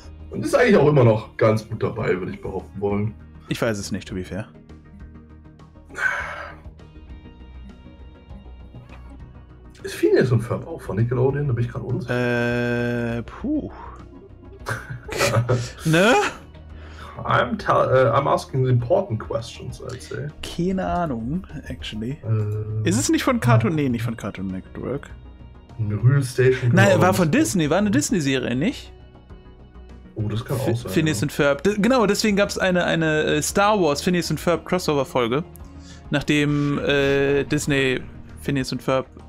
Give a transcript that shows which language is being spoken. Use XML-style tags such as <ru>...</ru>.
<de>Und ist eigentlich auch immer noch ganz gut dabei, würde ich behaupten wollen. Ich weiß es nicht,</de> <en>to be fair.</en> <de>Ist Phineas und Ferb auch von Nickelodeon? Da bin ich gerade unsicher. Puh. Ne?</de> <en>I'm asking the important questions, I'd say.</en> <de>Keine Ahnung, actually. Ist es nicht von Cartoon? Nee, nicht von Cartoon Network. Real Station. Nein, war von Disney, war eine Disney-Serie, nicht? Oh, das kann auch sein. Phineas und Ferb. Genau, deswegen gab es eine Star Wars Phineas und Ferb Crossover-Folge. Nachdem Disney Phineas und Ferb.</de>